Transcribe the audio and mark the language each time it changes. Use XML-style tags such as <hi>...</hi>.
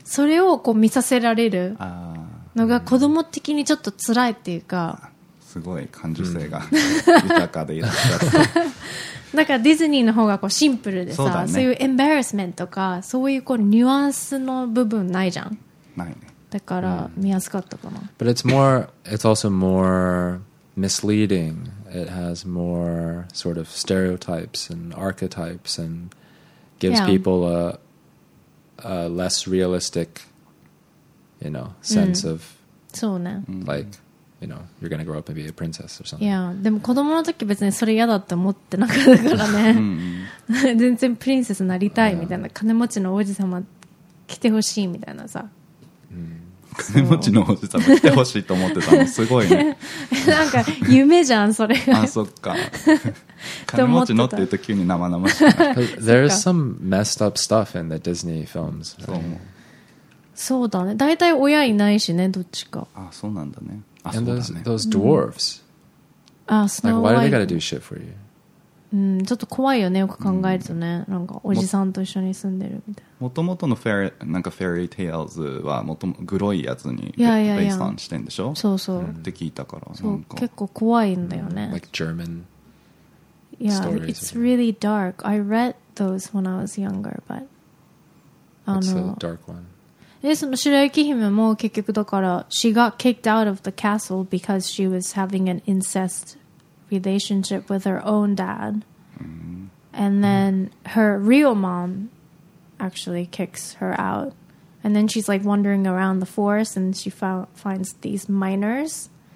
<ja>それをこう見させられるのが子供的にちょっと辛いっていうか、すごい感受性が豊かでいらっしゃる。だからディズニーの方がこうシンプルでさ、そうだね、そういうエンバラスメントとかそういう、こうニュアンスの部分ないじゃん。ないね。だから見やすかったかな。</ja> <en>But it's also more misleading. It has more sort of stereotypes and archetypes and gives、yeah. people a less realistic, you know, sense、うん、of</en> <ja>そうね。</ja> <en>Like. You know, you're gonna grow up and be a princess or something. Yeah,</en> <ja>でも子供の時別にそれ嫌だって思ってなかったからね。全然プリンセスなりたいみたいな、金持ちの王子様来てほしいみたいなさ。金持ちの王子様来てほしいと思ってたのすごいね。なんか夢じゃんそれが。あ、そっか。金持ちのって言うと急に生々しい。</ja> <en>There's some messed up stuff in the Disney films. Right?</en> <ja>そうだね。大体親いないしね、どっちか。あ、そうなんだね。</ja> <en>And those dwarves. Ah, Snow White. Like, why do they gotta do shit for you?</en> <ja>ちょっと怖いよね、よく考えるとね。なんかおじさんと一緒に住んでるみたいな。元々のなんかフェリーテイルズはもともグロいやつにベースしてんでしょ？そうそう。って聞いたから。そう、結構怖いんだよね。</ja> <en>Like German. Yeah, it's really dark. I read those when I was younger, but. What's the dark one?</en> <ja>で、その白雪姫も結局だから</ja> <en>she got kicked out of the castle because she was having an incest relationship with her own dad、and then her real mom actually kicks her out, and then she's like wandering around the forest and she finds these miners、</en>